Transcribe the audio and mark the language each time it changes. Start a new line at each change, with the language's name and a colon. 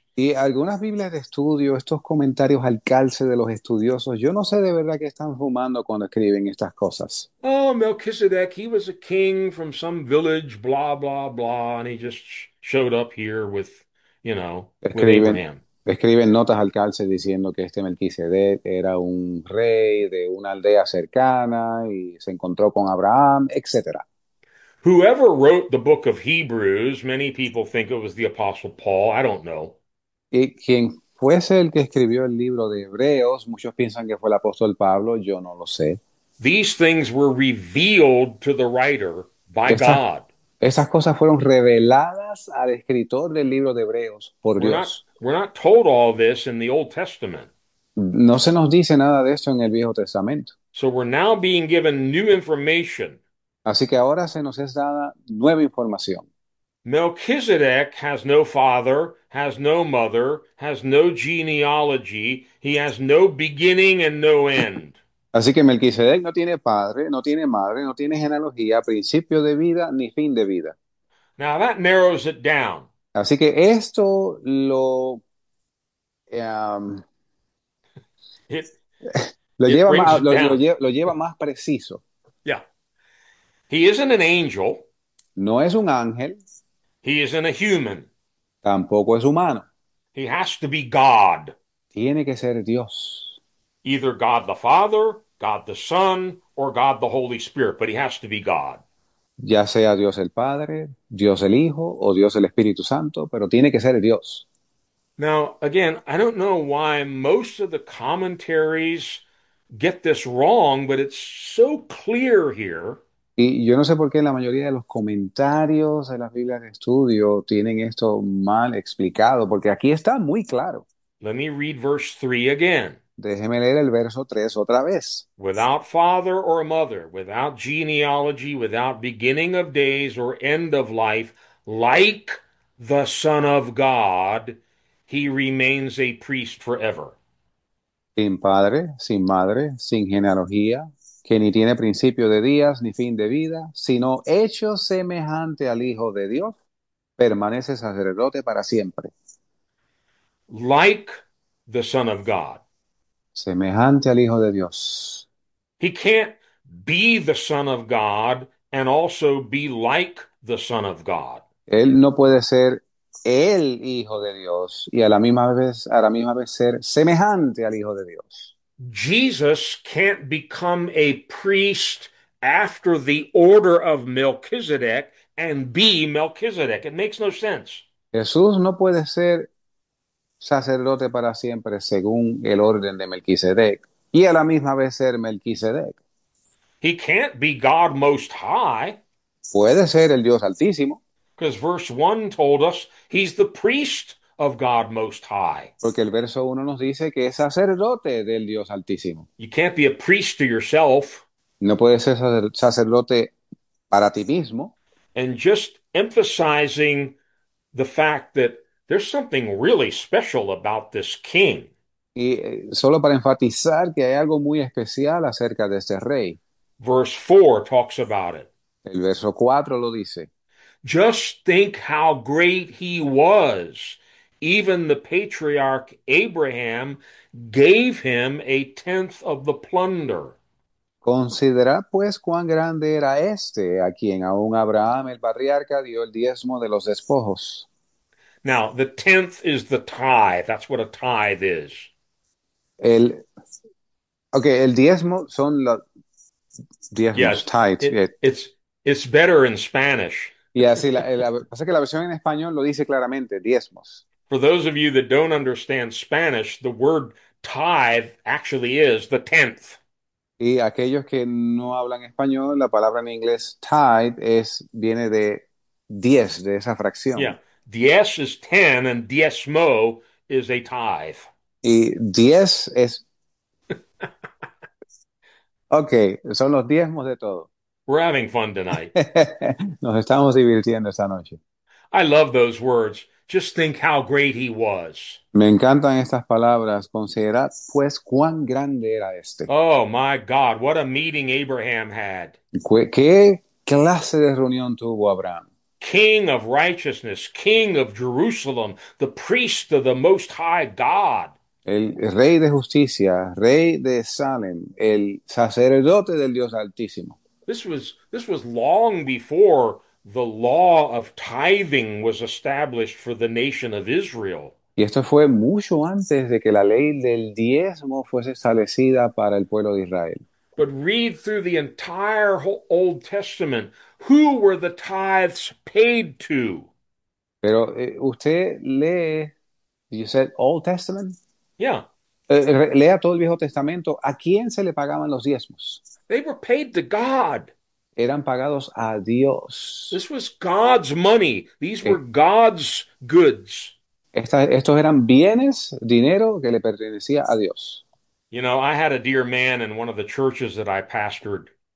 Spanish: Y algunas Biblias de estudio, estos comentarios al calce de los estudiosos, yo no sé de verdad qué están fumando cuando escriben estas cosas.
English: Oh, Melchizedek, he was a king from some village, blah, blah, blah, and he just showed up here with
Spanish: Escriben. Abraham. Escriben notas al calce diciendo que este Melquisedec era un rey de una aldea cercana y se encontró con Abraham, etc.
English: Whoever wrote the book of Hebrews, many people think it was the Apostle Paul. I don't know.
Spanish: Y quien fuese el que escribió el libro de Hebreos, muchos piensan que fue el apóstol Pablo, yo no lo sé.
English: These things were revealed to the writer by God.
Spanish: Estas cosas fueron reveladas al escritor del libro de Hebreos por Dios.
English: We're not told all this in the Old Testament.
Spanish: No se nos dice nada de esto en el Viejo Testamento.
English: So we're now being given new information.
Spanish: Así que ahora se nos es dada nueva información.
English: Melchizedek has no father, has no mother, has no genealogy, he has no beginning and no end.
Spanish: Así que Melquisedec no tiene padre, no tiene madre, no tiene genealogía, principio de vida ni fin de vida.
English: Now that narrows it down.
Spanish: Así que esto Lo
English: It
Spanish: lleva
English: brings
Spanish: más,
English: it down.
Spanish: lo lleva más preciso.
English: He isn't an angel.
Spanish: No es un ángel.
English: He isn't a human.
Spanish: Tampoco es humano.
English: He has to be God.
Spanish: Tiene que ser Dios.
English: Either God the Father, God the Son, or God the Holy Spirit, but he has to be God.
Spanish: Ya sea Dios el Padre, Dios el Hijo o Dios el Espíritu Santo, pero tiene que ser Dios.
English: Now, again, I don't know why most of the commentaries get this wrong, but it's so clear here.
Spanish: Y yo no sé por qué la mayoría de los comentarios de las Biblias de estudio tienen esto mal explicado, porque aquí está muy claro.
English: Let me read verse 3 again.
Spanish: Déjeme leer el verso 3 otra vez.
English: Without father or mother, without genealogy, without beginning of days or end of life, like the Son of God, he remains a priest forever.
Spanish: Sin padre, sin madre, sin genealogía, que ni tiene principio de días ni fin de vida, sino hecho semejante al Hijo de Dios, permanece sacerdote para siempre.
English: Like the Son of God.
Spanish: Semejante al Hijo de Dios.
English: He can't be the Son of God and also be like the Son of God.
Spanish: Él no puede ser el Hijo de Dios y a la misma vez ser semejante al Hijo de Dios.
English: Jesus can't become a priest after the order of Melchizedek and be Melchizedek. It makes no sense.
Spanish: Jesús no puede ser sacerdote para siempre según el orden de Melquisedec y a la misma vez ser Melquisedec.
English: He can't be God Most High,
Spanish: Puede ser el Dios Altísimo,
English: because verse 1 told us he's the priest of God Most High.
Spanish: porque el verso 1 nos dice que es sacerdote del Dios Altísimo.
English: You can't be a priest to yourself.
Spanish: No puede ser sacerdote para ti mismo.
English: And just emphasizing the fact that there's something really special about this king.
Spanish: Y solo para enfatizar que hay algo muy especial acerca de este rey.
English: Verse 4 talks about it.
Spanish: El verso 4 lo dice.
English: Just think how great he was. Even the patriarch Abraham gave him a tenth of the plunder.
Spanish: Considerad pues cuán grande era este a quien aún Abraham el patriarca dio el diezmo de los despojos.
English: Now, the tenth is the tithe. That's what a tithe is.
Spanish: El diezmo son los
English: Yeah,
Spanish: diezmos,
English: it's better in Spanish.
Spanish: y así la pasa que la versión en español lo dice claramente, diezmos.
English: For those of you that don't understand Spanish, the word tithe actually is the tenth.
Spanish: Y aquellos que no hablan español, la palabra en inglés tithe viene de diez, de esa fracción.
English: Yeah, diez is ten and diezmo is a tithe.
Spanish: Y 10 es. Okay, son los diezmos de todo.
English: We're having fun tonight.
Spanish: Nos estamos divirtiendo esta noche.
English: I love those words. Just think how great he was.
Spanish: Me encantan estas palabras. Considerad pues cuán grande era este.
English: Oh my God, what a meeting Abraham had.
Spanish: ¿Qué clase de reunión tuvo Abraham?
English: King of righteousness, King of Jerusalem, the priest of the Most High God.
Spanish: El rey de justicia, rey de Salem, el sacerdote del Dios Altísimo.
English: This was long before the law of tithing was established for the nation of Israel.
Spanish: Y esto fue mucho antes de que la ley del diezmo fuese establecida para el pueblo de Israel.
English: But read through the entire whole Old Testament. Who were the tithes paid to?
Spanish: Pero usted lee,
English: you said Old Testament. Yeah.
Spanish: Lea todo el Viejo Testamento. ¿A quién se le pagaban los diezmos?
English: They were paid to God.
Spanish: Eran pagados a Dios.
English: This was God's money. These were God's goods.
Spanish: Estos eran bienes, dinero que le pertenecía a Dios.
English: You know, I had a dear man in one of the churches that I pastored.